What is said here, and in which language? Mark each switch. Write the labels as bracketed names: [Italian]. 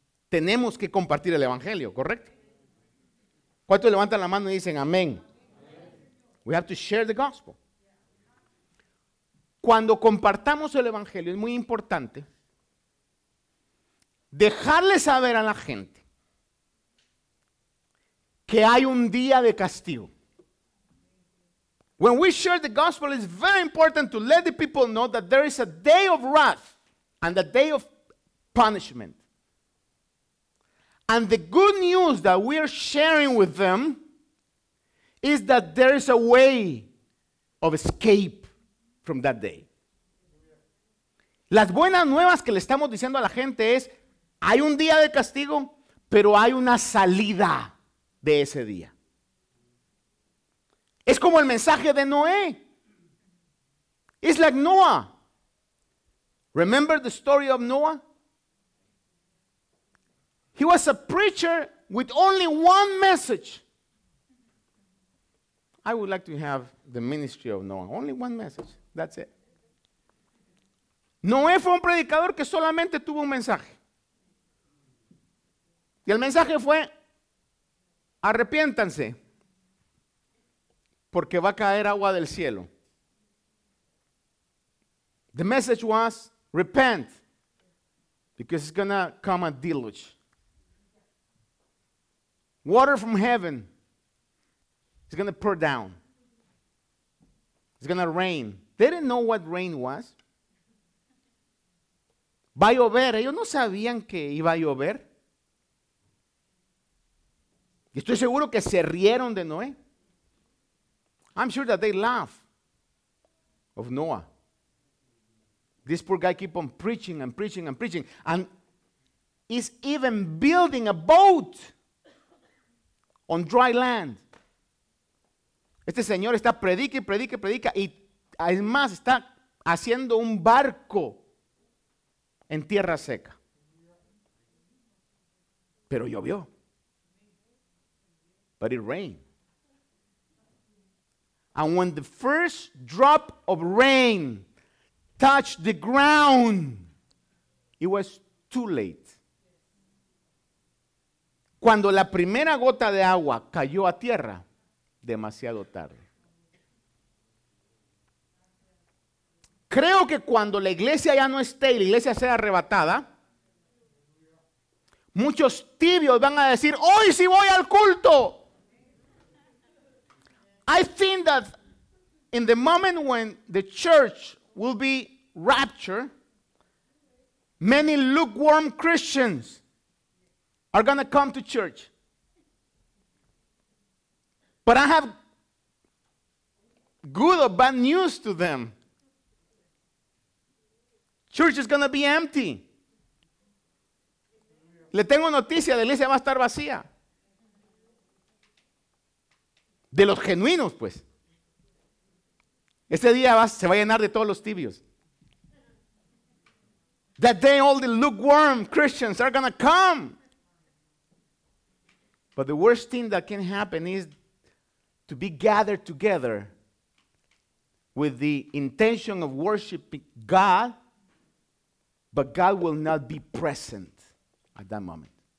[Spanish] Tenemos que compartir el evangelio, ¿correcto? ¿Cuántos levantan la mano y dicen amén? [English] We have to share the gospel. [Spanish] Cuando compartamos el evangelio, es muy importante dejarle saber a la gente que hay un día de castigo. [English] When we share the gospel, it's very important to let the people know that there is a day of wrath and a day of punishment. And the good news that we are sharing with them is that there is a way of escape from that day. [Spanish] Las buenas nuevas que le estamos diciendo a la gente es, hay un día de castigo, pero hay una salida de ese día. Es como el mensaje de Noé. [English] It's like Noah. Remember the story of Noah? He was a preacher with only one message. I would like to have the ministry of Noah. Only one message. That's it. [Spanish] Noé fue un predicador que solamente tuvo un mensaje. Y el mensaje fue: arrepiéntanse, porque va a caer agua del cielo. [English] The message was: repent, because it's gonna come a deluge. Water from heaven is gonna pour down. It's gonna rain. They didn't know what rain was. [Spanish] Va a llover. Ellos no sabían que iba a llover. Y estoy seguro que se rieron de Noé. [English] I'm sure that they laughed of Noah. This poor guy keep on preaching and preaching and preaching. And he's even building a boat on dry land. [Spanish] Este señor está predica y predica y predica. Y es más, está haciendo un barco en tierra seca. Pero llovió. [English] But it rained. And when the first drop of rain touched the ground, it was too late. [Spanish] Cuando la primera gota de agua cayó a tierra, demasiado tarde. Creo que cuando la iglesia ya no esté y la iglesia sea arrebatada, muchos tibios van a decir: hoy sí voy al culto. [English] I think that in the moment when the church will be raptured, many lukewarm Christians are going to come to church. But I have good or bad news to them. Church is going to be empty. [Spanish] Le tengo noticia, la iglesia va a estar vacía. De los genuinos, pues. Este día se va a llenar de todos los tibios. [English] That day all the lukewarm Christians are going to come. But the worst thing that can happen is to be gathered together with the intention of worshiping God, but God will not be present at that moment.